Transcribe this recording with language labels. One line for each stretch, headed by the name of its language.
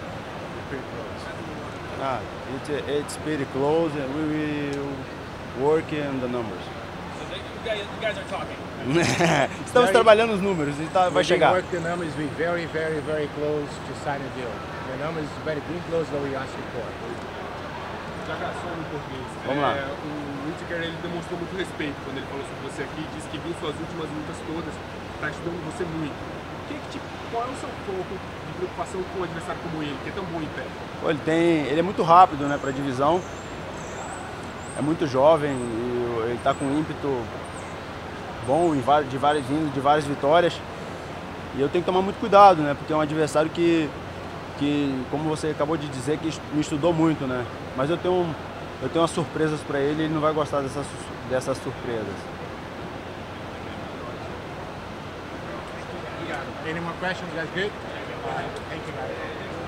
English: It's pretty close, and we will work in the numbers. So you guys are talking.
Portuguese: Estamos trabalhando os números, vai chegar.
English: We work the numbers, we very, very, very close to sign a deal. The numbers are very, very close to what we asked for.
Portuguese: Jacare Souza, em português. Vamos lá. O Whittaker, ele demonstrou muito respeito quando ele falou sobre você aqui, disse que viu suas últimas lutas todas, está estudando você muito. Qual é o seu foco de preocupação com um adversário como ele, que é tão bom em pé? Pô, ele é muito rápido, né, para a divisão, é muito jovem e ele está com ímpeto bom, de várias vindas, de várias vitórias. E eu tenho que tomar muito cuidado, né? Porque é um adversário que como você acabou de dizer, que me estudou muito, né? Mas eu tenho umas surpresas para ele, ele não vai gostar dessas surpresas.
English: Any more questions, guys? Good? Thank you, guys.